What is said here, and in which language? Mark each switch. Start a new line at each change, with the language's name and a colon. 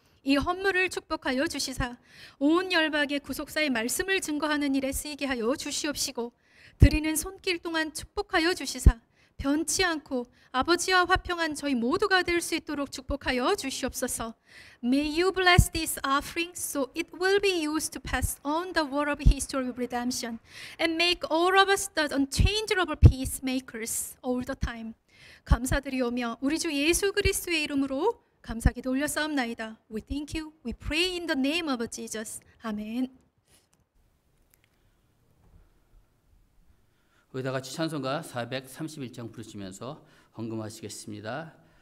Korean: 이 헌물을 축복하여 주시사 온 열방의 구속사의 말씀을 증거하는 일에 쓰이게 하여 주시옵시고 드리는 손길 동안 축복하여 주시사 변치 않고 아버지와 화평한 저희 모두가 될 수 있도록 축복하여 주시옵소서.
English: May you bless this offering so it will be used to pass on the word of history of redemption and make all of us the unchangeable peacemakers all the time.
Korean: 감사드리오며 우리 주 예수 그리스도의 이름으로 감사기도 올려싸옵나이다.
English: We thank you. We pray in the name of Jesus. Amen.
Korean: 우리 다 같이 찬송가 431장 부르시면서 헌금하시겠습니다.